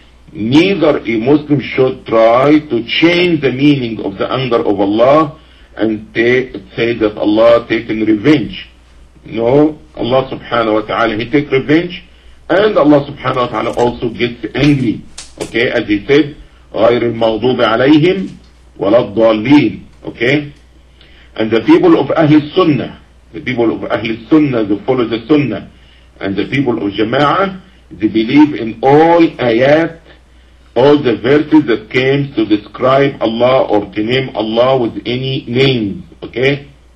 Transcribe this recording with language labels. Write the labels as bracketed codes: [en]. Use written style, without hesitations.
[en] Neither a Muslim should try to change the meaning of the anger of Allah and say that Allah taking revenge. No, Allah subhanahu wa ta'ala, He takes revenge, and Allah subhanahu wa ta'ala also gets angry. Okay, as He said, [ar] غَيْرِ الْمَغْضُوبِ عَلَيْهِمْ وَلَا الضَّالِينَ. [en] Okay? And the people of Ahl Sunnah, the people of Ahl Sunnah, they follow the Sunnah, and the people of Jama'ah, they believe in all ayat, all the verses that came to describe Allah or to name Allah with any name, okay?